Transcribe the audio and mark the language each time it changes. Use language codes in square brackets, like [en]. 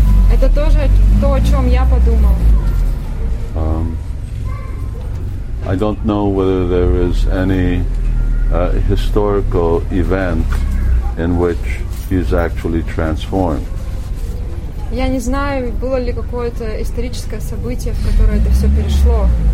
[ru] Это тоже то, о чем я подумал. [en] I don't know whether there is any historical event in which he's actually transformed. [ru] Я не знаю, было ли какое-то историческое событие, в которое это все перешло.